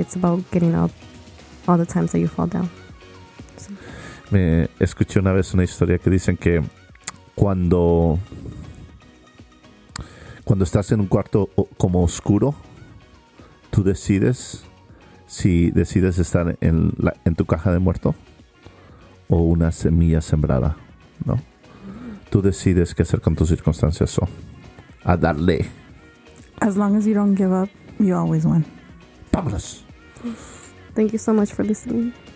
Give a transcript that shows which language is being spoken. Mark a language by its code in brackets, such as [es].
[en] It's about getting up all the times that you fall down. [es] Me escuché una vez una historia que dicen que cuando estás en un cuarto como oscuro, tú decides si decides estar en tu caja de muerto o una semilla sembrada, ¿no? Tú decides qué hacer con tus circunstancias. So, a darle. [en] As long as you don't give up, you always win. [es] ¡Vámonos! [en] Thank you so much for listening.